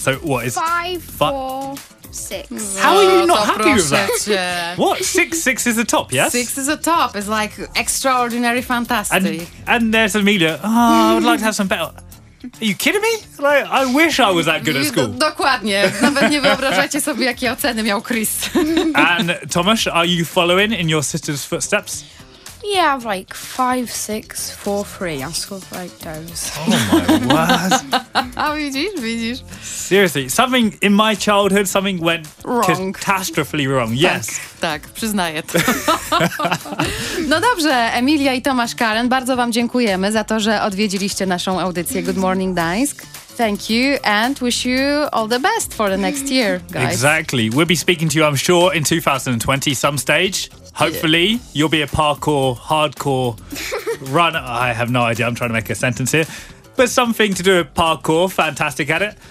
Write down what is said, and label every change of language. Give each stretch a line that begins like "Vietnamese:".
English: So what is 5, 4, 6. How are you not happy with that? What? 6 is the top, yes? 6 is the top. It's like extraordinary, fantastic. And there's Amelia. Oh, I would like to have some better. Are you kidding me? Like, I wish I was that good at school.
Polish: Dokładnie. Nawet nie wyobrażacie sobie, jakie oceny miał Chris.
English: And Tomasz, are you following in your sister's footsteps? Yeah, like 5, 6, 4, 3. I'm sort of like those. Oh my
Polish: word. Widzisz?
English: Seriously, something in my childhood, something went wrong. Catastrophically wrong. Yes.
Polish: Tak, przyznaję to. No dobrze, Emilia i Tomasz Karen, bardzo wam dziękujemy za to, że odwiedziliście naszą audycję Good Morning Gdańsk.
English: Thank you and wish you all the best for the next year, guys. Exactly. We'll be speaking to you, I'm sure, in 2020, some stage. Hopefully, you'll be a parkour, hardcore runner. I have no idea. I'm trying to make a sentence here. But something to do with parkour. Fantastic at it.